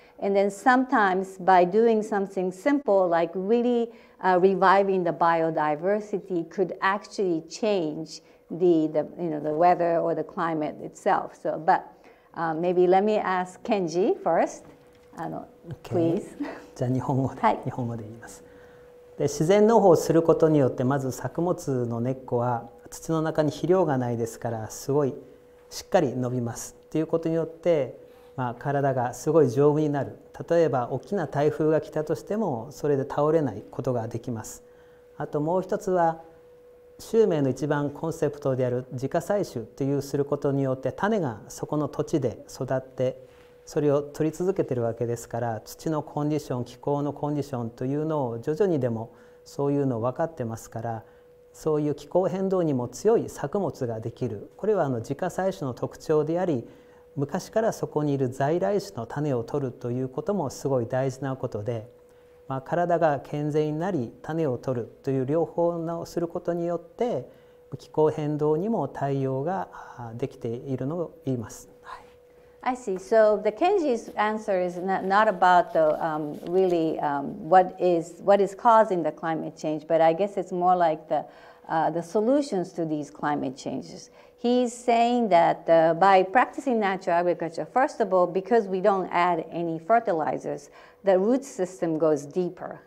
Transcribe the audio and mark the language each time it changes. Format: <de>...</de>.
<en>And then sometimes by doing something simple, like really reviving the biodiversity could actually change the weather or the climate itself. So, but maybe let me ask Kenji first, please.</en> <ja>じゃあ日本語で、日本語で言います。で、自然農法をすることによって、まず作物の根っこは土の中に肥料がないですから、すごいしっかり伸びますっていうことによって、まあ、体がすごい丈夫になる。例えば大きな台風が来たとしてもそれで倒れないことができます。あともう一つは秋明の一番コンセプトである自家採取というすることによって種がそこの土地で育ってそれを取り続けているわけですから土のコンディション気候のコンディションというのを徐々にでもそういうのを分かってますからそういう気候変動にも強い作物ができる。これは自家採取の特徴であり昔からそこにいる在来種の種を取るということもすごい大事なことで、まあ、体が健全になり種を取るという両方をすることによって気候変動にも対応ができているのを言います。</ja> <en>I see. So the Kenji's answer is not about the really what is causing the climate change, but I guess it's more like the solutions to these climate changes. He's saying that by practicing natural agriculture, first of all, because we don't add any fertilizers, the root system goes deeper.</en>